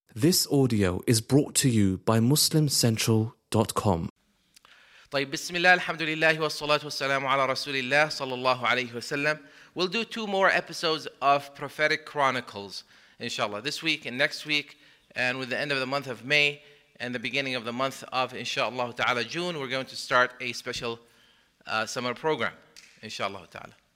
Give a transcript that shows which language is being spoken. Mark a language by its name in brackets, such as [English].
[English] This audio is brought to you by MuslimCentral.com. [Arabic] طيب بسم الله الحمد لله والصلاة والسلام على رسول الله صلى الله عليه وسلم. [English] We'll do two more episodes of Prophetic Chronicles, inshallah, this week and next week, and with the end of the month of May and the beginning of the month of inshallah ta'ala June, we're going to start a special summer program, inshallah ta'ala.